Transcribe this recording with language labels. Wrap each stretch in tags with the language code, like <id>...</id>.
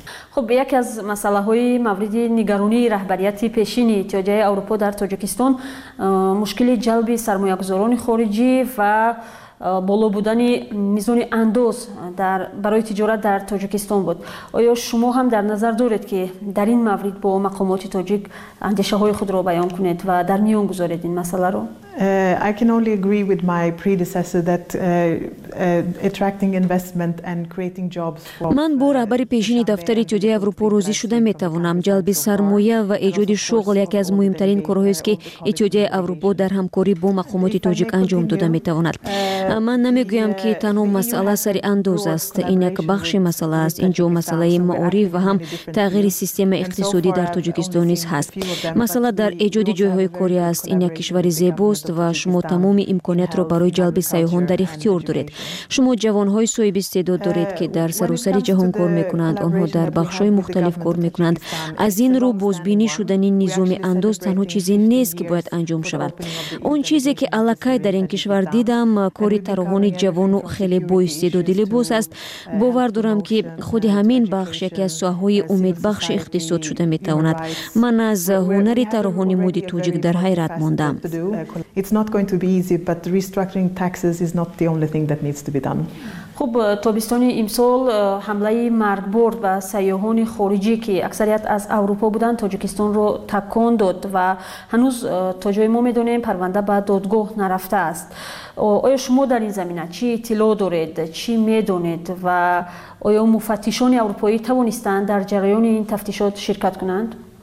<fa>خب یکی از مسئله های مورد نگرانی رهبریت پیشین اتحادیه اروپا در تاجیکستان مشکل جلب سرمایه گذاران خارجی و بالا بودن میزان اندوز در برای تجارت در تاجیکستان بود. آیا شما هم در نظر دارید که در این مورد با مقامات تاجیک اندیشه های خود را بیان کنید و در میان گذارید این مسئله را؟</fa> <en>I can only agree with my predecessor that attracting investment and creating jobs for</en> <fa>من با رهبری پیشینی دفتر اتحادیه اروپا روزی شده میتوانم جلب سرمایه و ایجاد شغل یکی از مهمترین کارهایی است که اتحادیه اروپا در همکاری با مقامات تاجیک انجام داده میتواند. من نمیگویم که تنها مسئله سر اندوز است، این یک بخش مسئله است. اینجا مسئله معارف و هم تغییر سیستم اقتصادی در تاجیکستان نیز هست. مسئله در ایجاد جایهای کاری است. این یک کشور زیبو است و شما تمام امکانات را برای جلب سیاحان در اختیار دارید. شما جوانهای صاحب استعداد دارید که در سراسر جهان کار میکنند. آنها در بخشهای مختلف کار میکنند. از این رو بازبینی شدن این نظام اندوز تنها چیزی نیست که باید انجام شود. اون چیزی که الکای در این کشور دیدم کاری طراحان جوان و خیلی با استعداد لباس است. باور دارم که خود همین بخش یکی از ساحه های امیدبخش اقتصاد شده میتواند. من از هنر طراحان مود توجیک در حیرت ماندم.</fa> <en>It's not going to be easy, but restructuring taxes is not the only thing that needs to be done.</en> <fa>خب تابستان امسال حمله مرگبار و سیاحان خارجی که اکثریت از اروپا بودند تاجیکستان را تکان داد و هنوز تا جای ما میدونیم پرونده به دادگاه نرفته است. آیا شما در این زمینه چی اطلاع دارید، چی میدونید و آیا مفتشان اروپایی توانستند در جریان این تفتیشات شرکت کنند؟</fa>